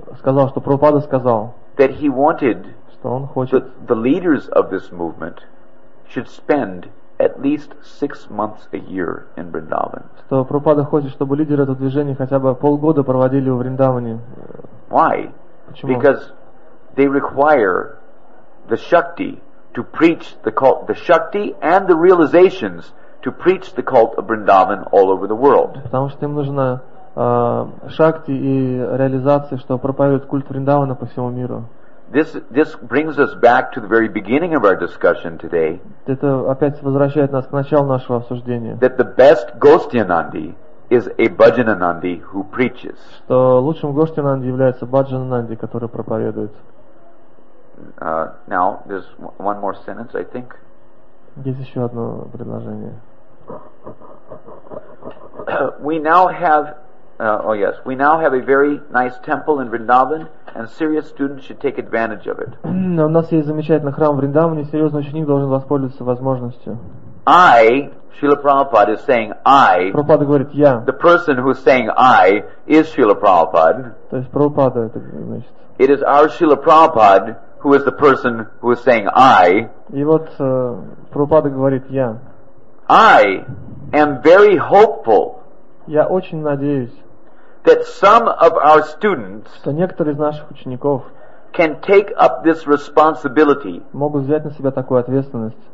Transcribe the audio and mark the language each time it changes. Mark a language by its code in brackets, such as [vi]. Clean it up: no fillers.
[ru] Сказал, что Прабхупада сказал. [en] That he wanted. [ru] Что он хочет. [en] The leaders of this movement should spend. At least 6 months a year in Vrindavan. [ru] Что Прабхупада хочет, чтобы лидеры этого движения хотя бы полгода проводили в Вриндаване. [en] Why? [ru] Почему? [en] Because they require the shakti to preach the cult, the shakti and the realizations to preach the cult of Vrindavan all over the world. [ru] Потому что им нужна шакти и реализации, что проповедует культ Вриндавана по всему миру. [en] This brings us back to the very beginning of our discussion today. [ru] Это опять возвращает нас к началу нашего обсуждения. [en] That the best Гостьянанди is a Бхаджананди who preaches. [ru] Что лучшим Гостьянанди является Бхаджананди, который проповедует. [en] Now there's one more sentence, I think. [ru] Есть еще одно предложение. [en] We now have a very nice temple in Vrindavan, and serious students should take advantage of it. [ru] У нас есть замечательный храм в Вриндаване, серьезный ученик должен воспользоваться возможностью. [en] I, Srila Prabhupada is saying, I. [ru] Прабхупада говорит я. [en] The person who is saying I is Srila Prabhupada. [ru] То есть Прабхупада это значит. [en] It is our Srila Prabhupada who is the person who is saying I. [ru] И вот Прабхупада говорит я. [en] I am very hopeful. [ru] Я очень надеюсь. [en] That some of our students. [ru] Что некоторые из наших учеников. [en] Can take up this responsibility. [ru] Могут взять на себя такую ответственность.